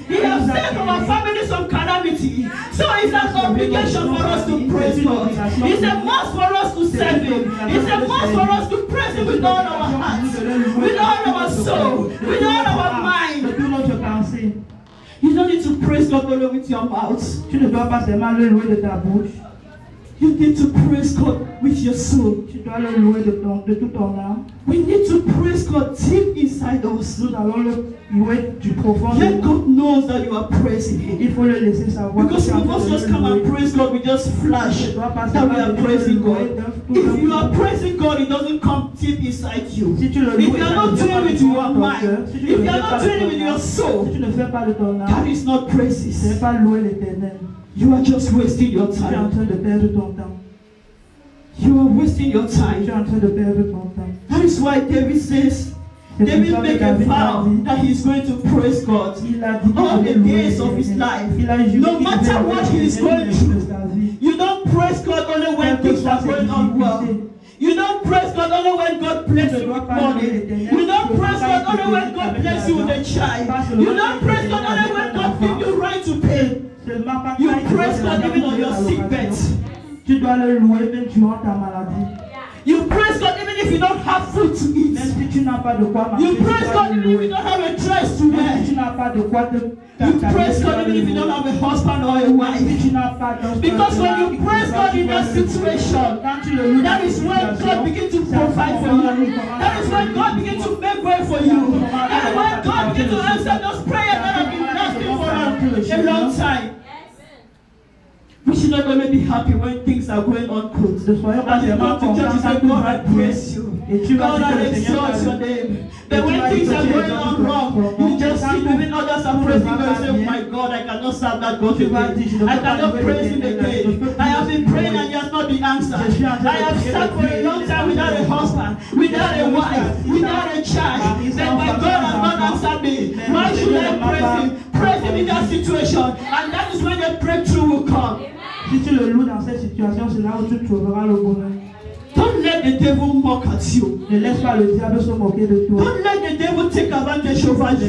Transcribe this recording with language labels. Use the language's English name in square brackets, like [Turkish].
[English] He has saved our families from calamity. So it's an obligation for us to praise God. It's a must for us to serve Him. It's a must for us to praise Him with all our hearts, with all our soul, with all our mind. You don't need to praise God only with your mouth. [French] Tu ne dois pas seulement le louer de ta bouche. [English] You need to praise God with your soul. [French] Tu dois le louer de tout ton âme. [English] We need to praise God deep inside us. [French] Nous allons le louer du profond. [English] Let God know that you are praising Him. [French] Il faut le laisser savoir. [English] Because if we just come and praise God, we just flash that we are praising God. If you are praising God, it doesn't come deep inside you. [French] Si tu le [English] if you are not doing it with your mind, if you are not doing it with your soul, [French] si tu ne fais pas de ton âme, [English] that is not praises. [French] Ne fais pas louer l'Éternel. [English] You are just wasting your time. [French] Tu es en train de perdre ton temps. [English] You are wasting your time. [French] Tu es en train de perdre ton temps. [English] That is why David says, David make a vow that he is going to praise God all the days of his life. No matter what he is going through, you don't praise God only when things are going on well. You don't praise God only when God bless you with money. You don't praise God only when God bless you with a child. You don't praise God only when God give you right to pay. You praise God even on your sick bed. [French] Tu dois le louer même durant ta maladie. [English] You praise God even if you don't have food to eat. [French] Même si tu n'as pas de quoi manger. [English] You praise God even if you don't have a dress to wear. [French] Même si tu n'as pas de quoi te. [English] You praise God even if you don't have a husband or a wife. Because when you praise God in that situation, that is when God begins to provide for you. That is when God begins to make way for you. That is when God begins to answer those prayers that have been asking for a long time. We should not only be happy when things are going on good. That's why you have to come to church and say, God, I bless you. God, I exalt your name. But when things are going on wrong, you just see even others are praising God. You say, my God, I cannot serve that God again. I cannot praise Him again. I have been praying and He has not been answered. I have sat for a long time without a husband, without a wife, without a child. Then my God has not answered me. Why should I praise Him? Praise Him in that situation. And that is when the breakthrough will come. [French] Si tu le loues dans cette situation, c'est là où tu trouveras le bonheur. [English] Don't let the devil mock at you. [French] Ne laisse pas le diable se moquer de toi. [English] Don't let the devil take advantage of you.